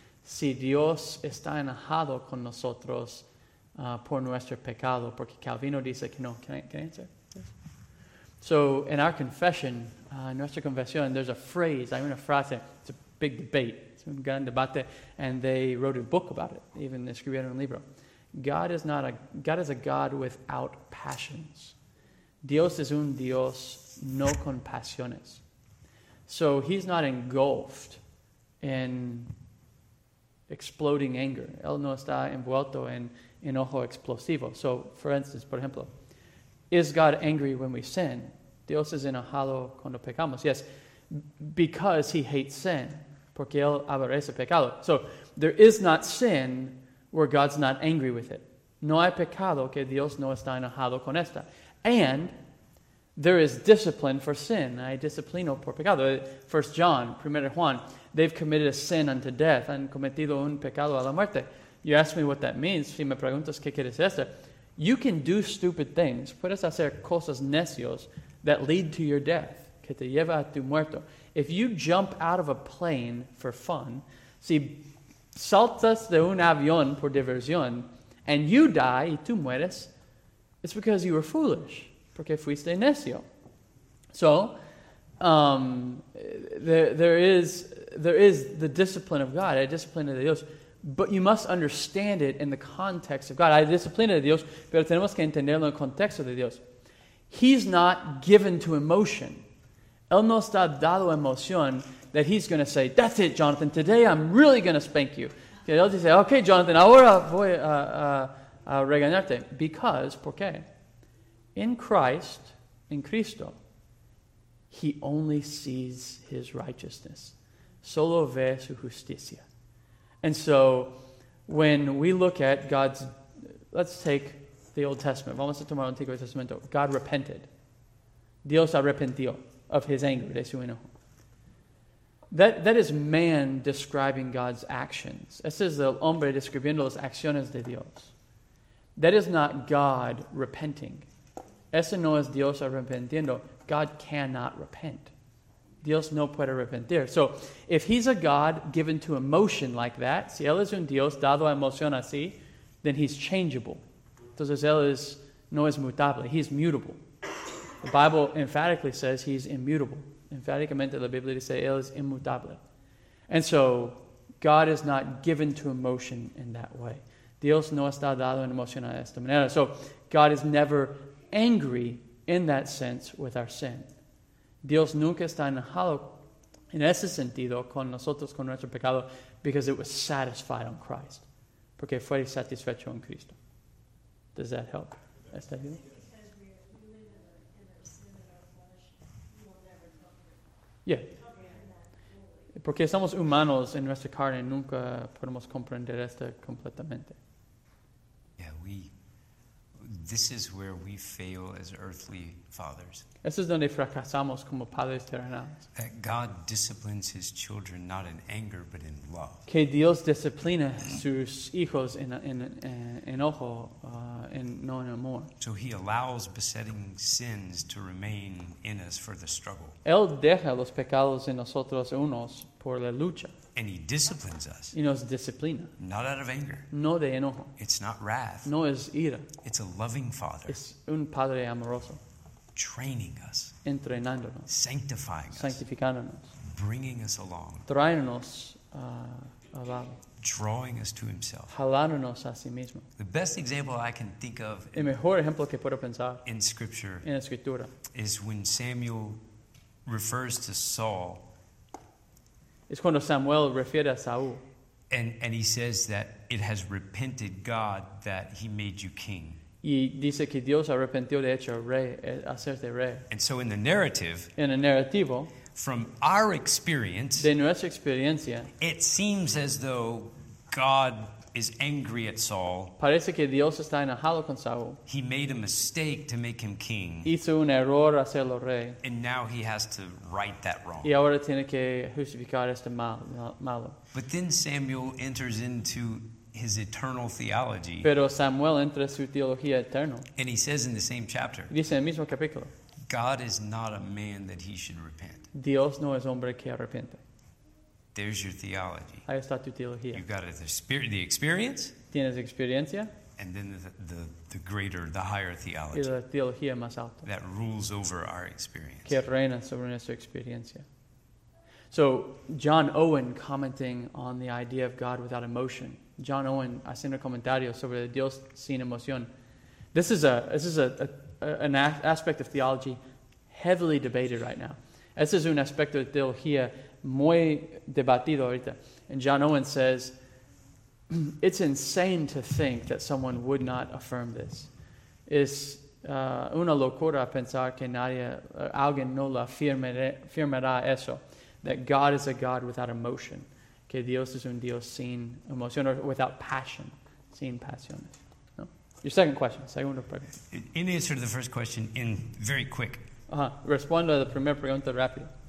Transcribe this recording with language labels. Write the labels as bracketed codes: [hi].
[es] Si Dios está enojado con nosotros, por nuestro pecado, porque Calvino dice que no. [en] Can I answer? Yes. So, in our confession, [es] nuestra confesión, [en] there's a phrase, I mean a frase, it's a big debate, [es] it's un gran debate, [en] and they wrote a book about it, even [es] escribieron un libro. [en] God is a God without passions. [es] Dios es un Dios no con pasiones. [en] So, he's not engulfed in exploding anger. [es] Él no está envuelto en enojo explosivo. [en] So, for instance, [es] por ejemplo, [en] is God angry when we sin? [es] Dios es enojado cuando pecamos. [en] Yes, because he hates sin. [es] Porque él aborrece pecado. [en] So, there is not sin where God's not angry with it. [es] No hay pecado que Dios no está enojado con esta. [en] And there is discipline for sin. [es] Hay disciplino por pecado. [en] 1 John, 1 Juan. They've committed a sin unto death. [es] Han cometido un pecado a la muerte. [en] You ask me what that means. [es] Si me preguntas qué quieres decir. [en] You can do stupid things. [es] Puedes hacer cosas necios [en] that lead to your death. [es] Que te lleva a tu muerto. [en] If you jump out of a plane for fun. [es] Si saltas de un avión por diversión. [en] And you die [es] y tú mueres. [en] It's because you were foolish. [es] Porque fuiste necio. [en] So, there is the discipline of God. [es] Hay disciplina de Dios. [en] But you must understand it in the context of God. [es] Hay disciplina de Dios, pero tenemos que entenderlo en el contexto de Dios. [en] He's not given to emotion. [es] Él no está dado emoción [en] that he's going to say, that's it, Jonathan, today I'm really going to spank you. [es] Okay, él dice, okay, Jonathan, ahora voy a regañarte. [en] Because, [es] ¿por qué? [en] In Christ, in Cristo, he only sees his righteousness. [es] Solo ve su justicia. [en] And so, when we look at God's, let's take the Old Testament. [es] Vamos a tomar el Antiguo Testamento. [en] God repented. [es] Dios arrepintió [en] of his anger, [es] de su enojo. [en] That is man describing God's actions. [es] Ese es el hombre describiendo las acciones de Dios. [en] That is not God repenting. [es] Ese no es Dios arrepintiendo. [en] God cannot repent. [es] Dios no puede arrepentir. [en] So, if he's a God given to emotion like that, [es] si él es un Dios dado a emoción así, [en] then he's changeable. [es] Entonces, él es, no es mutable. [en] He's mutable. The Bible emphatically says he's immutable. [es] Emphaticamente, la Biblia dice, él es inmutable. [en] And so, God is not given to emotion in that way. [es] Dios no está dado en emoción a esta manera. [en] So, God is never angry in that sense with our sin. [es] Dios nunca está enojado en ese sentido con nosotros, con nuestro pecado, [en] because it was satisfied on Christ. [es] Porque fue satisfecho en Cristo. [en] Does that help? [es] ¿Está bien? Yeah. Porque estamos humanos en nuestra carne, nunca podemos comprender esto completamente. [en] Yeah, this is where we fail as earthly fathers. [es] Eso es donde fracasamos como padres terrenales. [en] That God disciplines his children not in anger but in love. [es] Que Dios disciplina sus hijos en enojo, no en amor. [en] So he allows besetting sins to remain in us for the struggle. [es] Él deja los pecados en nosotros unos por la lucha. [en] And he disciplines us. [es] Y nos disciplina. [en] Not out of anger. [es] No de enojo. [en] It's not wrath. [es] No es ira. [en] It's a loving father. [es] Es un padre amoroso. [en] Training us. [es] Entrenándonos. [en] Sanctifying us. [es] Sanctificándonos. [en] Bringing us along. [es] Traernos abajo. [en] Drawing us to himself. [es] Jalándonos a sí mismo. [en] The best example I can think of. [es] El mejor ejemplo que puedo pensar. [en] In scripture. [es] En escritura. [en] Is when Samuel refers to Saul. [es] Es cuando Samuel refiere a Saúl. [en] And he says that it has repented God that he made you king. [es] Y dice que Dios arrepintió de hecho rey, hacerte rey. [en] And so in the narrative, [es] en el narrativo, [en] from our experience, [es] de nuestra experiencia, [en] it seems as though God is angry at Saul. [es] Parece que Dios está enojado con Saúl. [en] He made a mistake to make him king. [es] Hizo un error hacerlo rey. [en] And now he has to right that wrong. [es] Y ahora tiene que justificar este malo. [en] But then Samuel enters into his eternal theology. [es] Pero Samuel entra su teología eterna. [en] And he says in the same chapter. [es] Dice en el mismo capítulo. [en] God is not a man that he should repent. [es] Dios no es hombre que arrepiente. [en] There's your theology. [es] Ahí está tu teología. [en] You've got the experience. [es] Tienes experiencia. [en] And then the greater, the higher theology. [es] Y la teología más alta. [en] That rules over our experience. [es] Que reina sobre nuestra experiencia. [en] So, John Owen commenting on the idea of God without emotion. [es] John Owen haciendo comentarios sobre Dios sin emoción. [en] This is an aspect of theology heavily debated right now. [es] Este es un aspecto de teología muy debatido ahorita. [en] And John Owen says, it's insane to think that someone would not affirm this. [es] Es una locura pensar que nadie, alguien no lo afirmará eso, [en] that God is a God without emotion. [es] Que Dios es un Dios sin emoción, [en] or without passion, [es] sin pasiones. No? [en] Your second question. [es] Segunda pregunta. [en] In answer to the first question, in very quick. [es] Respondo a la primera pregunta rápido.